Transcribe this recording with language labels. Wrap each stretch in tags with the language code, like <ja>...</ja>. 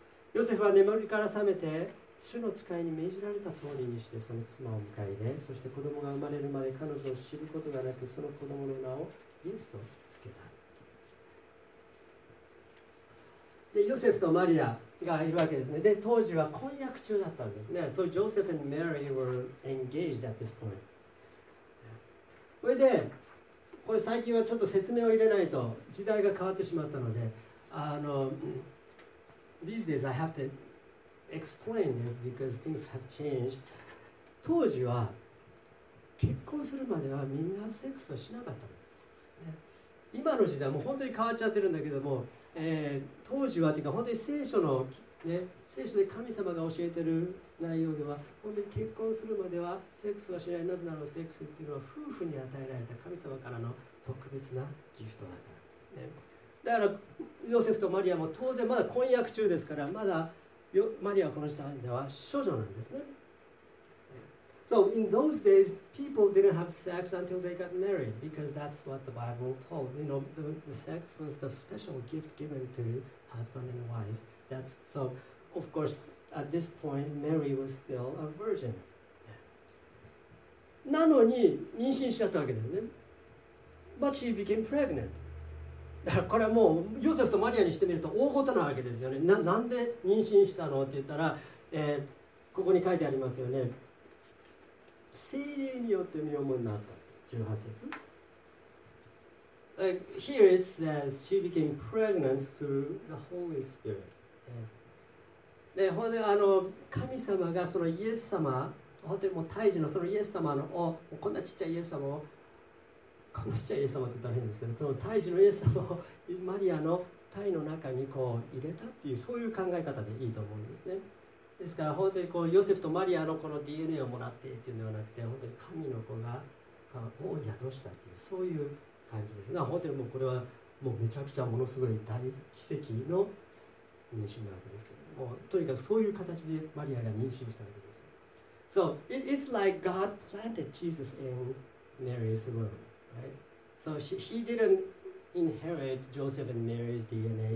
<ja>ヨセフは眠りから覚めて、主の使いに命じられた通りにしてその妻を迎え入れ、そして子供が生まれるまで彼女を知ることがなく、その子供の名をイエスとつけた。でヨセフとマリアがいるわけですね。で、当時は婚約中だったんですね。</ja> <en>So Joseph and Mary were engaged at this point.</en> <ja>それでこれ最近はちょっと説明を入れないと時代が変わってしまったのであの</ja> <en>These days I have to explain this because things have changed</en> <ja>当時は結婚するまではみんなセックスはしなかったの、ね、今の時代もう本当に変わっちゃってるんだけども、当時はというか本当に聖書の、ね、聖書で神様が教えてる内容では本当に結婚するまではセックスはしない。なぜならセックスっていうのは夫婦に与えられた神様からの特別なギフトだから、ね、だからヨセフとマリアも当然まだ婚約中ですからまだマリアはこの時代では少女なんですね。</ja> <en>So in those days people didn't have sex until they got married because that's what the Bible told. You know, the sex was the special gift given to husband and wife. That's so of courseAt this point, Mary was still a virgin.</en> <ja>なのに妊娠しちゃったわけですね。</ja> <en>But she became pregnant.</en> <ja>だからこれはもうヨセフとマリアにしてみると大事なわけですよね。なんで妊娠したのって言ったら、ここに書いてありますよね。聖霊によって身重になった。 18節。</ja> <en>Here it says she became pregnant through the Holy Spirit.</en> <ja>でほんであの神様がそのイエス様、本当にもう胎児のそのイエス様のこんなちっちゃいイエス様を、こんなちっちゃいイエス様って言ったら変ですけど、その胎児のイエス様をマリアの胎の中にこう入れたっていう、そういう考え方でいいと思うんですね。ですから本当にこうヨセフとマリアのこの DNA をもらってっていうのではなくて、本当に神の子が子を宿したっていう、そういう感じですね。本当にもうこれはもうめちゃくちゃものすごい大奇跡の妊娠なわけですけど。とにかくそういう形でマリアが妊娠したわけです。</ja> <en>So, it's like God planted Jesus in Mary's womb, right? So, he didn't inherit Joseph and Mary's DNA.</en>